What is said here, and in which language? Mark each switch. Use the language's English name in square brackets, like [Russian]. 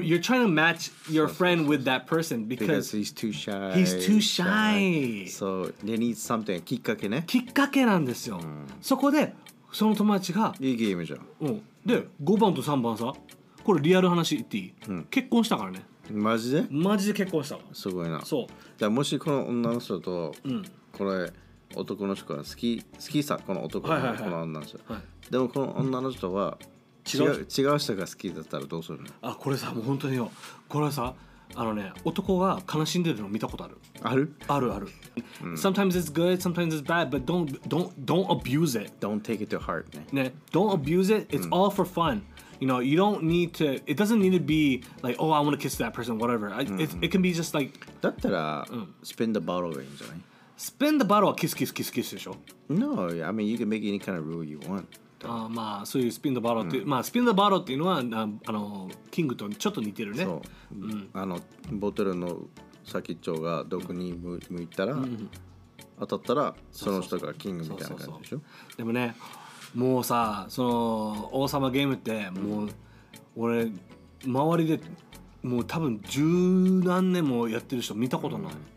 [English] You're trying to match your friend with that person because he's too shy so they need something [Japanese] きっかけね、きっかけなんですよ、そこでその友達がいいゲームじゃん、で5番と3番さ、これリアル話言っていい、結婚したからね、マジで結婚したわ、すごいな、そうじゃあもしこの女の人と、これ男の人が好きさこの男の人、この女の人、でもこの女の人は、違う人が好きだったらどうするの、あこれさもう本当によ、これさあのね、男が悲しんでるの見たことある。ある？あるある。 [English] Sometimes it's good, sometimes it's bad, but don't abuse it. Don't take it to heart. [Japanese] ね。ね、 [English] don't abuse it. It's all for fun. You know, you don't need to. It doesn't need to be like, oh, I want to kiss that person, whatever. It can be just like. [Japanese] だったら、spin the bottle がいいんじゃない？ Spin the bottle はキスキスキスキスでしょ？ [English] No, I mean you can make any kind of rule you want. [Japanese] まあそういうスピンドバローっていう、うん、まあスピンドバローっていうのはあのキングとちょっと似てるね。そう、うん、あのボトルの先っちょが毒に向いたら、うん、当たったらその人がキングみたいな感じでしょ。そうそうそう。でもね、もうさ、その王様ゲームってもう、うん、俺周りでもう多分十何年もやってる人見たことない、うん、